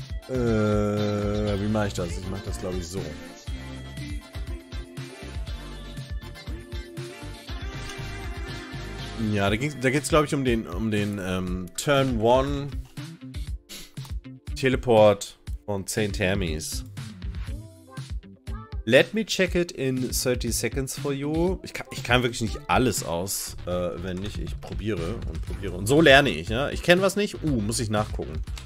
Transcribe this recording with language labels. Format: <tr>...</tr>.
<de>Wie mache ich das? Ich mache das, glaube ich, so. Ja, da geht es, glaube ich, um den Turn 1 Teleport von 10 Termis.</de> <en>Let me check it in 30 seconds for you.</en> <de>Ich kann wirklich nicht alles aus, wenn nicht. Ich probiere und probiere. Und so lerne ich, ja. Ich kenne was nicht. Muss ich nachgucken.</de>